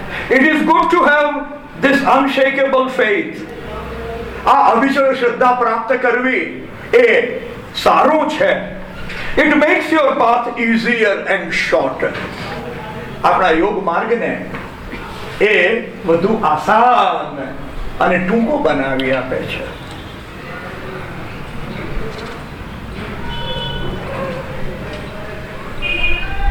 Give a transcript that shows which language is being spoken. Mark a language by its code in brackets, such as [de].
[en] It is good to have this unshakable faith. [gu] આ અવિચળ શ્રદ્ધા પ્રાપ્ત કરવી એ સારું છે. [en] It makes your path easier and shorter. [gu] આપણા યોગ માર્ગને એ વધુ આસાન અને ટૂંકો બનાવી આપે છે. [en] Thank you.